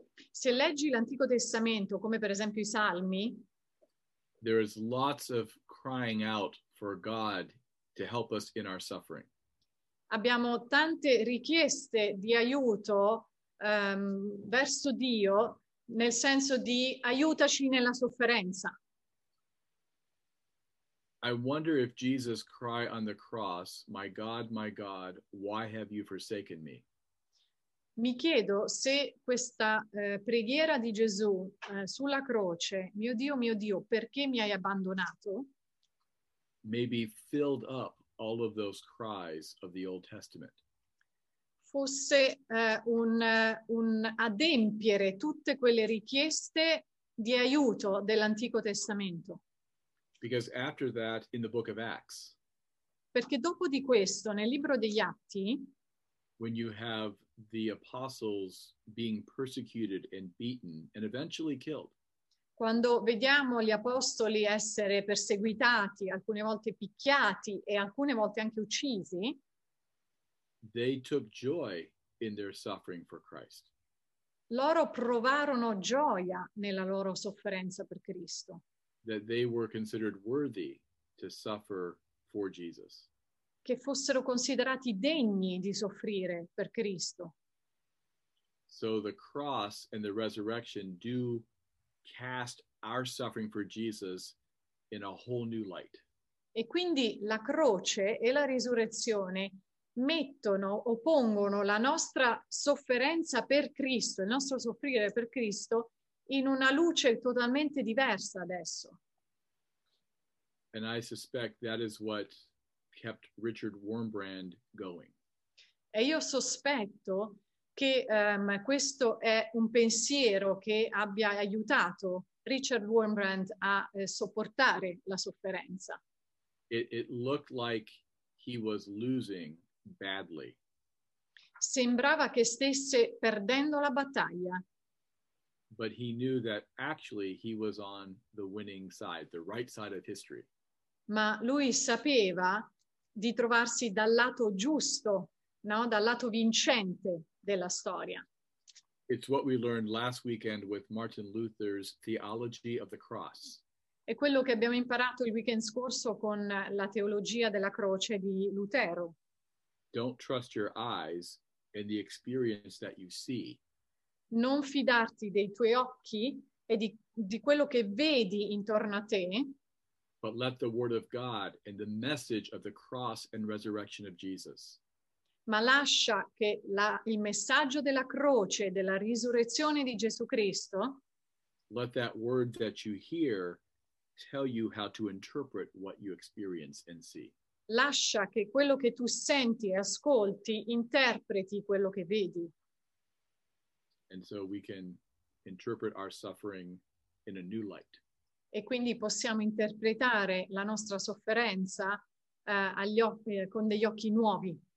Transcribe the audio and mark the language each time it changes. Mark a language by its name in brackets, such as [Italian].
[Italian] se leggi l'Antico Testamento, come per esempio i Salmi, [English] there is lots of crying out for God to help us in our suffering. [Italian] Abbiamo tante richieste di aiuto verso Dio, nel senso di aiutaci nella sofferenza. [English] I wonder if Jesus cried on the cross, my God, why have you forsaken me? [Italian] Mi chiedo se questa preghiera di Gesù sulla croce, mio Dio, perché mi hai abbandonato? [English] Maybe filled up all of those cries of the Old Testament. [Italian] Fosse un adempiere tutte quelle richieste di aiuto dell'Antico Testamento. [English] Because after that, in the book of Acts, [Italian] perché dopo di questo, nel libro degli Atti, [English] when you have the apostles being persecuted and beaten and eventually killed, [Italian] quando vediamo gli apostoli essere perseguitati, alcune volte picchiati e alcune volte anche uccisi, [English] they took joy in their suffering for Christ. [Italian] Loro provarono gioia nella loro sofferenza per Cristo. [English] That they were considered worthy to suffer for Jesus. [Italian] Che fossero considerati degni di soffrire per Cristo. [English] So the cross and the resurrection do cast our suffering for Jesus in a whole new light. [Italian] E quindi la croce e la risurrezione mettono o pongono la nostra sofferenza per Cristo, il nostro soffrire per Cristo, in una luce totalmente diversa adesso. [English] And I suspect that is what kept Richard Wurmbrand going. [Italian] E io sospetto che questo è un pensiero che abbia aiutato Richard Wurmbrand a sopportare la sofferenza. [English] It looked like he was losing badly. [Italian] Sembrava che stesse perdendo la battaglia. [English] But he knew that actually he was on the winning side, the right side of history. [Italian] Ma lui sapeva di trovarsi dal lato giusto, no? Dal lato vincente della storia. [English] It's what we learned last weekend with Martin Luther's Theology of the Cross. [Italian] È quello che abbiamo imparato il weekend scorso con la teologia della croce di Lutero. [English] Don't trust your eyes and the experience that you see. [Italian] Non fidarti dei tuoi occhi e di quello che vedi intorno a te. [English] But let the word of God and the message of the cross and resurrection of Jesus. [Italian] Ma lascia che il messaggio della croce, della risurrezione di Gesù Cristo, [English] let that word that you hear tell you how to interpret what you experience and see. [Italian] Lascia che quello che tu senti e ascolti interpreti quello che vedi. [English] And so we can interpret our suffering in a new light. [Italian] E quindi possiamo interpretare la nostra sofferenza con degli occhi nuovi.